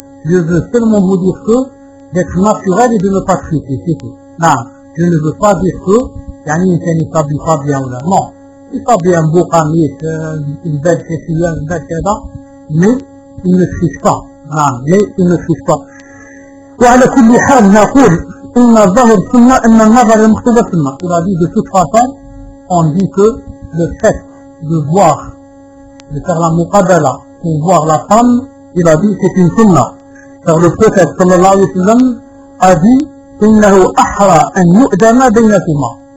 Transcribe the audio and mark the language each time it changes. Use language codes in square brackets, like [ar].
[fr] Je veux seulement vous dire que d'être naturel et de ne pas tricher, c'est tout. Non, je ne veux pas dire que Yanni Hussein ne s'habille pas bien ou là. Non, il s'habille un beau camis, une belle chaussure, une belle chaussure, mais il ne triche pas. Non, mais il ne triche pas. [ar] وعلى كل حال نقول إن الظهر سنة إن النظر المختلف سنة. [fr] Il a dit de toute façon, on dit que le fait de voir, de faire la muqabala pour voir la femme, il a dit c'est une sunna. Car le prophète sallallahu alayhi wa sallam a dit [ar] innahu ahra an yu'dama baynakuma.